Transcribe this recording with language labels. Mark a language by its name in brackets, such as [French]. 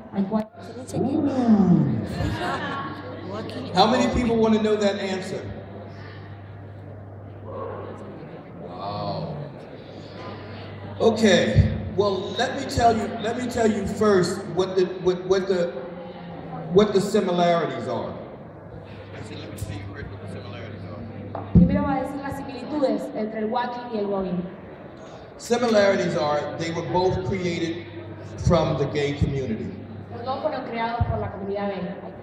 [English] How many people want to know that answer? Okay, well, let me tell you first what the similarities are. [Spanish] Primero va a decir las similitudes entre el walking y el walking. [English] Similarities are they were both created from the gay community. [Spanish] Los dos fueron creados por la comunidad gay.